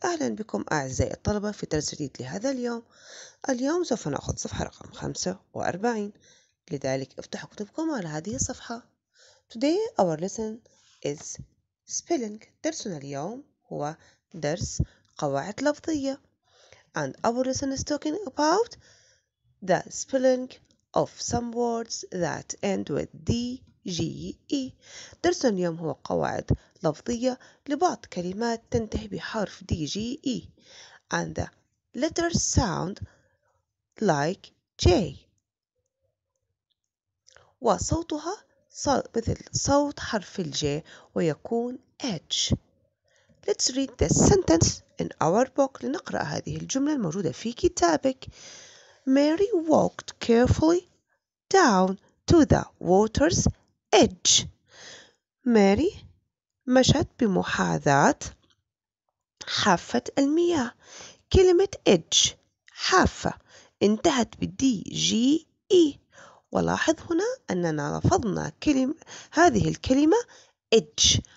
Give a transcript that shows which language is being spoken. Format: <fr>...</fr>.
<ar>اهلا بكم اعزائي الطلبه في درس جديد لهذا اليوم. اليوم سوف ناخذ صفحه رقم 45. لذلك افتحوا كتبكم على هذه الصفحه.</ar> <en>Today our lesson is spelling.</en> <ar>درسنا اليوم هو درس قواعد لفظيه.</ar> <en>And our lesson is talking about the spelling of some words that end with D, G, E.</en> <ar>درسنا اليوم هو قواعد لفظية لبعض كلمات تنتهي بحرف D, G, E.</ar> <en>And the letters sound like J.</en> <ar>وصوتها مثل صوت حرف الج ويكون H.</ar> <en>Let's read this sentence in our book.</en> <ar>لنقرأ هذه الجملة الموجودة في كتابك.</ar> <en>Mary walked carefully down to the water's edge.</en> <ar>Mary مشت بمحاذاة حافة المياه. كلمة edge حافة انتهت بـ D-G-E. ولاحظ هنا أننا لفظنا هذه الكلمة edge.</ar>